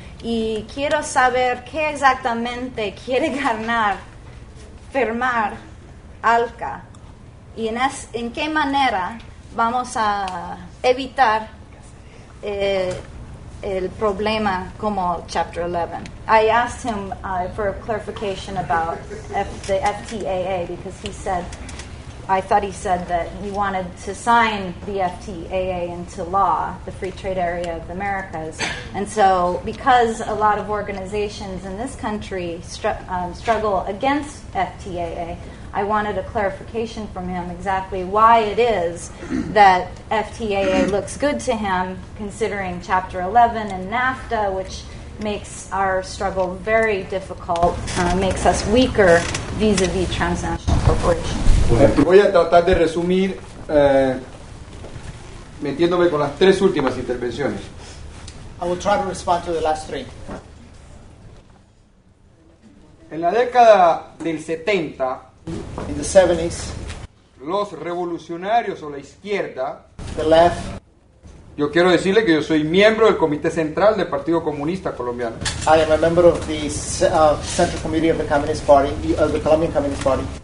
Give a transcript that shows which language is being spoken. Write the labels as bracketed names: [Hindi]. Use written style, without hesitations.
[Spanish] Y quiero saber qué exactamente quiere ganar, firmar ALCA, y en qué manera vamos a evitar el problema como Chapter 11. [English] I asked him for a clarification about the FTAA, because he said, I thought he said that he wanted to sign the FTAA into law, the Free Trade Area of the Americas. And so because a lot of organizations in this country struggle against FTAA, I wanted a clarification from him exactly why it is that FTAA looks good to him, considering Chapter 11 and NAFTA, which makes our struggle very difficult, makes us weaker vis-a-vis transnational corporations. [Spanish] Voy a tratar de resumir metiéndome con las tres últimas intervenciones. [English] I will try to respond to the last three. [Spanish] En la década del 70, [English] in the 70s, [Spanish] los revolucionarios o la izquierda, [English] the left, [Spanish] yo quiero decirle que yo soy miembro del Comité Central del Partido Comunista Colombiano. [English] I am a member of the Central Committee of the Communist Party, of the Colombian Communist Party.